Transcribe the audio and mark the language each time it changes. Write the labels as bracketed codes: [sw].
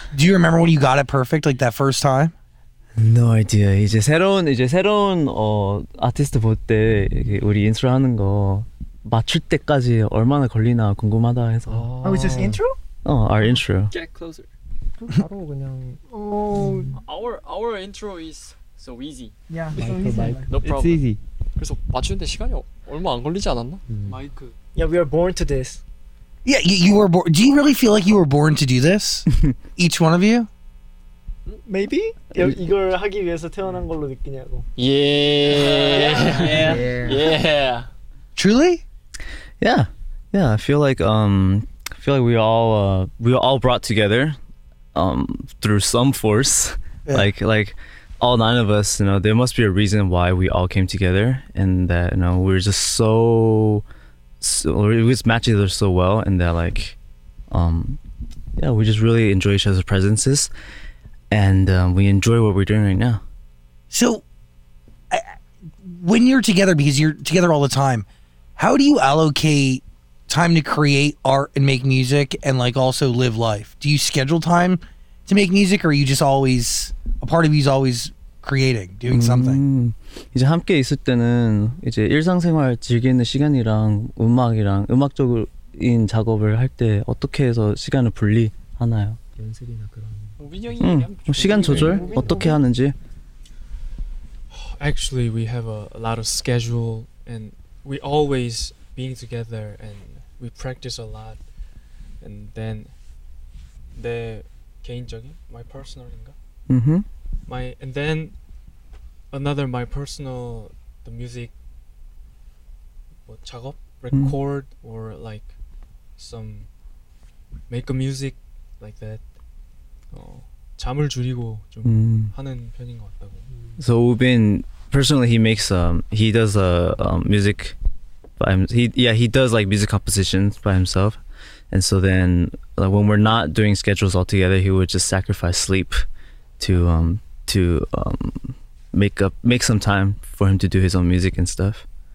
[en] Do you remember when you got it perfect, like that first time? No idea. [ko] 이제 새로운 아티스트 볼 때 우리 인트로 하는 거 맞출 때까지 얼마나 걸리나 궁금하다 해서. [en] Oh, it's just intro? Oh, our intro. Get closer. [ko] 바로 그냥. [en] Our intro is so easy. Yeah, it's so easy. No problem. It's easy. [ko] 그래서 맞추는데 시간이 얼마 안 걸리지 않았나? 마이크. [en] Yeah, we are born to this. Yeah, you were born. Do you really feel like you were born to do this? Each one of you? Maybe. [ko] 이걸 하기 위해서 태어난 걸로 느끼냐고. [en] Yeah. Truly? Yeah. Yeah, I feel like we were all brought together through some force. Yeah. Like all nine of us, you know, there must be a reason why we all came together, and that, you know, we're just we just match each other so well, and that, like, yeah, we just really enjoy each other's presences, and we enjoy what we're doing right now. So when you're together, because you're together all the time, how do you allocate time to create art and make music and like also live life? Do you schedule time to make music, or are you just always, a part of you is always creating, doing something? [ko] 이제 함께 있을 때는 이제 일상생활 즐기는 시간이랑 음악이랑 음악적인 작업을 할 때 어떻게 해서 시간을 분리하나요? 연습이나 그런. 민영이 시간 조절 어떻게 하는지. [en] Actually, we have a lot of schedule, and we always being together, and we practice a lot, and then [ko] 내 개인적인, [en] my personal인가? My personal, the music, [ko] 뭐 작업, [en] record, or like some make a music like that. [ko] 잠을 줄이고 좀 하는 편인 것 같다고. [en] So Ubin personally, he does music compositions by himself, and so then like when we're not doing schedules all together, he would just sacrifice sleep to make some time for him to do his own music and stuff.